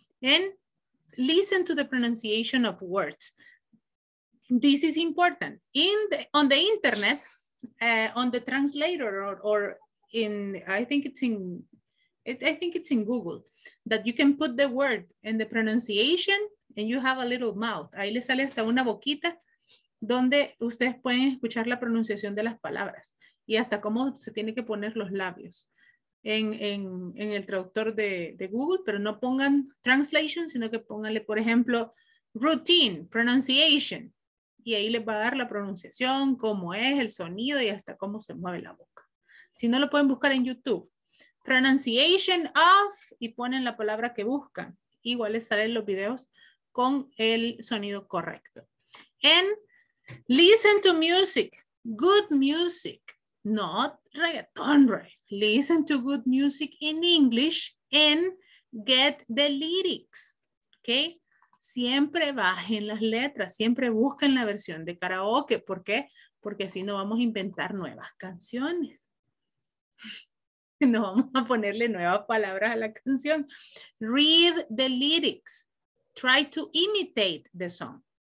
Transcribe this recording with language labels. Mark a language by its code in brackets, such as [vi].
[en] And listen to the pronunciation of words. This is important. On the internet, on the translator or I think it's in Google that you can put the word and the pronunciation and you have a little mouth. [es] Ahí le sale hasta una boquita donde ustedes pueden escuchar la pronunciación de las palabras y hasta cómo se tiene que poner los labios en el traductor de Google, pero no pongan translation, sino que pónganle, por ejemplo, routine, pronunciation. Y ahí les va a dar la pronunciación, cómo es el sonido y hasta cómo se mueve la boca. Si no, lo pueden buscar en YouTube. [en] Pronunciation of, [es] y ponen la palabra que buscan. Igual les salen los videos con el sonido correcto. [en] And listen to music. Good music, not reggaeton. Listen to good music in English and get the lyrics. Okay? [es] Siempre bajen las letras, siempre busquen la versión de karaoke. ¿Por qué? Porque así no vamos a inventar nuevas canciones. No vamos a ponerle nuevas palabras a la canción. [en] Read the lyrics. Try to imitate the song.